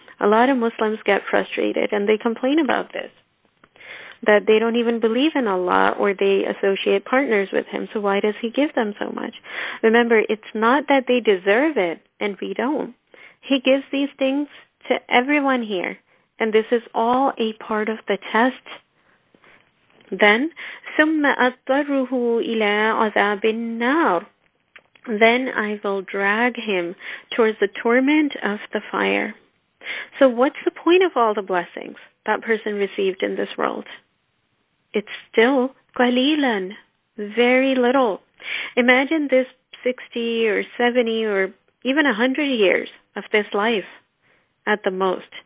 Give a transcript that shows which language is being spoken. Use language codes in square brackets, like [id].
[en] A lot of Muslims get frustrated and they complain about this, that they don't even believe in Allah or they associate partners with him. So why does he give them so much? Remember, it's not that they deserve it and we don't. He gives these things to everyone here. And this is all a part of the test. [ar] Then, ثُمَّ أَضْطَرُهُ إِلَىٰ عَذَابِ النَّارِ. [en] Then I will drag him towards the torment of the fire. So what's the point of all the blessings that person received in this world? It's still قَلِيلًا, very little. Imagine this 60 or 70 or even 100 years of this life at the most.